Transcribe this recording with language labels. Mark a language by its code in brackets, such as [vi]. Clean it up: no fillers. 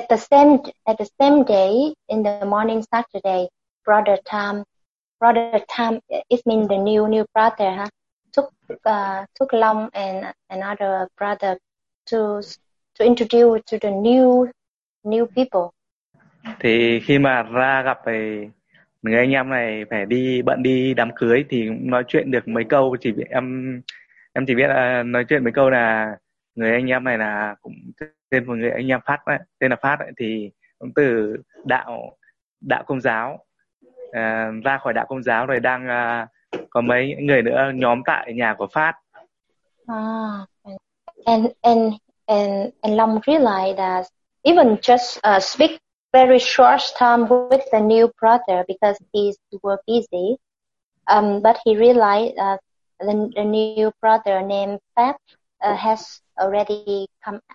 [en] At the same day in the morning Saturday, brother Tam, it means the new brother, huh? took Long and another brother to introduce to the new people. [vi] Thì khi mà ra gặp thì người anh em này phải bận đi đám cưới, thì nói chuyện được mấy câu, chỉ biết là nói chuyện mấy câu là người anh em này là cũng tên một người anh em Phát ấy, tên là Phát ấy, thì cũng từ đạo Công giáo ra khỏi đạo Công giáo rồi, đang có mấy người nữa nhóm tại nhà của Phát. [en] And Long realized that even just speak very short time with the new brother because he's were busy. But he realized that the new brother named Fat has already come.